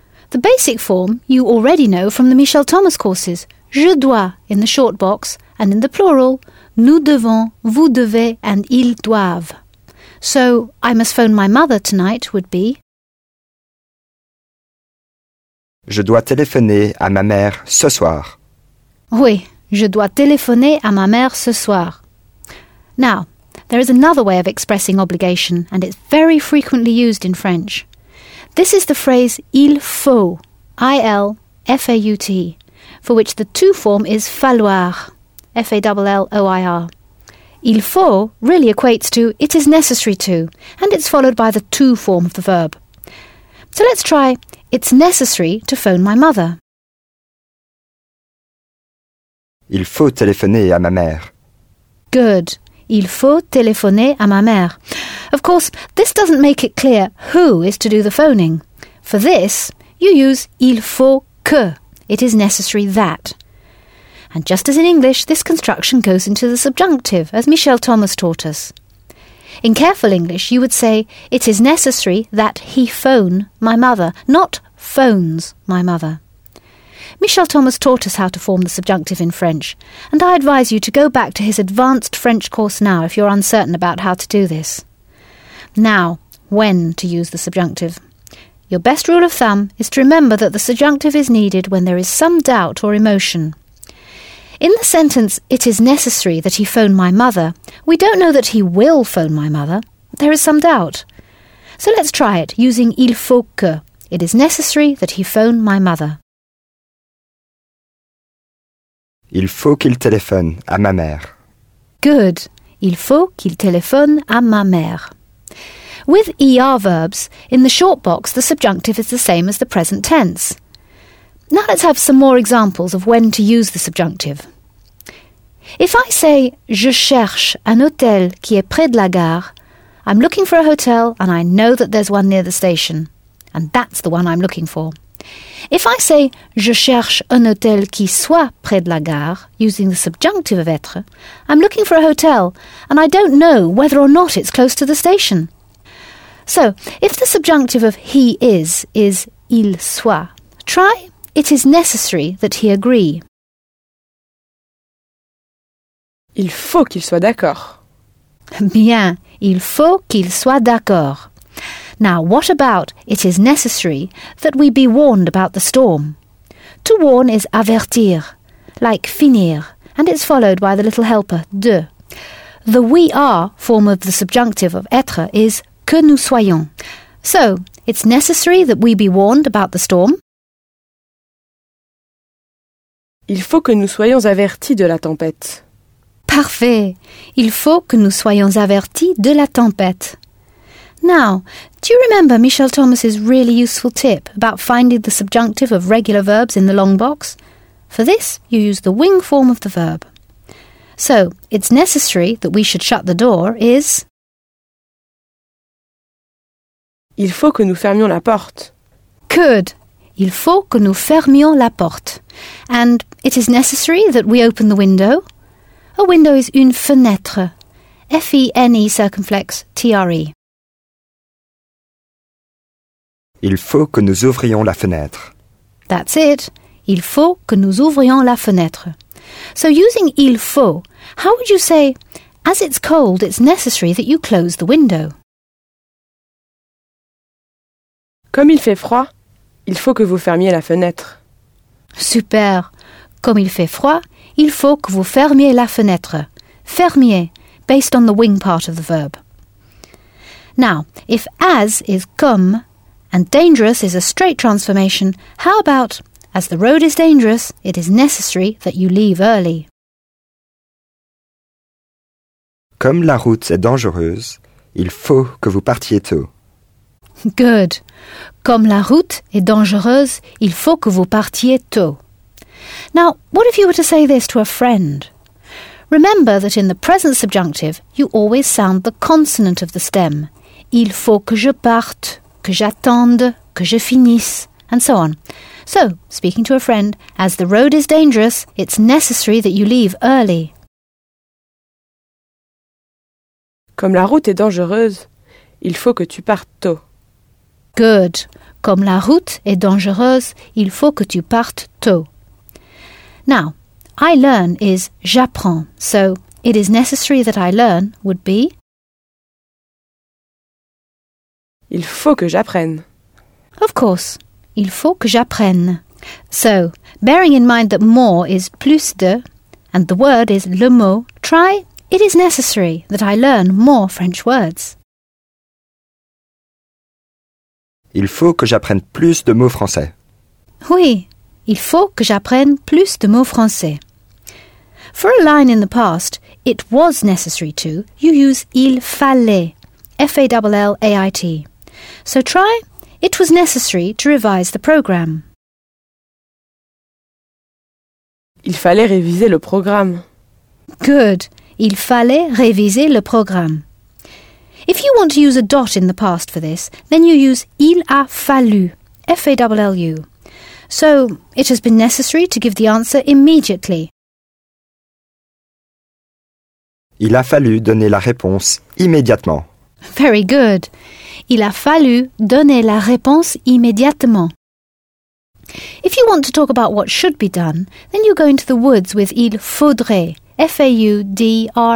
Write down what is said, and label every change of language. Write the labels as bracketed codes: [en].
[en] The basic form you already know from the Michel Thomas courses. [fr] Je dois [en] in the short box and in the plural. [fr] Nous devons, vous devez and ils doivent. [en] So, I must phone my mother tonight would be... [fr] Je dois téléphoner à ma mère ce soir. Oui, je dois téléphoner à ma mère ce soir. [en] Now, there is another way of expressing obligation, and it's very frequently used in French. This is the phrase [fr] il faut, [en] I-L-F-A-U-T, for which the to form is falloir, F-A-L-L-O-I-R. [fr] Il faut [en] really equates to it is necessary to, and it's followed by the to form of the verb. So let's try, it's necessary to phone my mother. [fr] Il faut téléphoner à ma mère. [en] Good. [fr] Il faut téléphoner à ma mère. [en] Of course, this doesn't make it clear who is to do the phoning. For this, you use [fr] il faut que. [en] It is necessary that. And just as in English, this construction goes into the subjunctive, as Michel Thomas taught us. In careful English, you would say, it is necessary that he phone my mother, not phones my mother. Michel Thomas taught us how to form the subjunctive in French, and I advise you to go back to his advanced French course now if you're uncertain about how to do this. Now, when to use the subjunctive. Your best rule of thumb is to remember that the subjunctive is needed when there is some doubt or emotion. In the sentence, it is necessary that he phone my mother, we don't know that he will phone my mother. There is some doubt. So let's try it using [fr] il faut que. [en] It is necessary that he phone my mother. [fr] Il faut qu'il téléphone à ma mère. [en] Good. [fr] Il faut qu'il téléphone à ma mère. [en] With ER verbs, in the short box, the subjunctive is the same as the present tense. Now let's have some more examples of when to use the subjunctive. If I say, [fr] je cherche un hôtel qui est près de la gare, [en] I'm looking for a hotel and I know that there's one near the station. And that's the one I'm looking for. If I say, [fr] je cherche un hôtel qui soit près de la gare, [en] using the subjunctive of être, I'm looking for a hotel and I don't know whether or not it's close to the station. So, if the subjunctive of he is [fr] il soit, [en] try... It is necessary that he agree. [fr] Il faut qu'il soit d'accord. Bien, il faut qu'il soit d'accord. [en] Now, what about it is necessary that we be warned about the storm? To warn is avertir, like finir, and it's followed by the little helper, de. The we are form of the subjunctive of être is [fr] que nous soyons. [en] So, it's necessary that we be warned about the storm. [fr] Il faut que nous soyons avertis de la tempête. Parfait. Il faut que nous soyons avertis de la tempête. [en] Now, do you remember Michel Thomas's really useful tip about finding the subjunctive of regular verbs in the long box? For this, you use the wing form of the verb. So, it's necessary that we should shut the door is... [fr] Il faut que nous fermions la porte. [en] Good. [fr] Il faut que nous fermions la porte. [en] And it is necessary that we open the window. A window is une fenêtre. F-E-N-E circumflex T-R-E. [fr] Il faut que nous ouvrions la fenêtre. [en] That's it. [fr] Il faut que nous ouvrions la fenêtre. [en] So using [fr] il faut, [en] how would you say, as it's cold, it's necessary that you close the window? [fr] Comme il fait froid. Il faut que vous fermiez la fenêtre. [en] Super. [fr] Comme il fait froid, il faut que vous fermiez la fenêtre. [en] Fermier, based on the wing part of the verb. Now, if as is comme and dangerous is a straight transformation, how about as the road is dangerous, it is necessary that you leave early? [fr] Comme la route est dangereuse, il faut que vous partiez tôt. [en] Good. [fr] Comme la route est dangereuse, il faut que vous partiez tôt. [en] Now, what if you were to say this to a friend? Remember that in the present subjunctive, you always sound the consonant of the stem. [fr] Il faut que je parte, que j'attende, que je finisse, [en] and so on. So, speaking to a friend, as the road is dangerous, it's necessary that you leave early. [fr] Comme la route est dangereuse, il faut que tu partes tôt. [en] Good. [fr] Comme la route est dangereuse, il faut que tu partes tôt. [en] Now, I learn is j'apprends, so it is necessary that I learn would be [fr] il faut que j'apprenne. [en] Of course, [fr] il faut que j'apprenne. [en] So, bearing in mind that more is [fr] plus de, [en] and the word is [fr] le mot, [en] try it is necessary that I learn more French words. [fr] Il faut que j'apprenne plus de mots français. Oui, il faut que j'apprenne plus de mots français. [en] For a line in the past, it was necessary to, you use [fr] il fallait, [en] F-A-L-L-A-I-T. So try, it was necessary to revise the program. [fr] Il fallait réviser le programme. Good, il fallait réviser le programme. [en] If you want to use a dot in the past for this, then you use [fr] il a fallu, [en] F-A-L-L-U. So, it has been necessary to give the answer immediately. [fr] Il a fallu donner la réponse immédiatement. [en] Very good. [fr] Il a fallu donner la réponse immédiatement. [en] If you want to talk about what should be done, then you go into the woods with [fr] il faudrait, [en] F-A-U-D-R-A-I-T.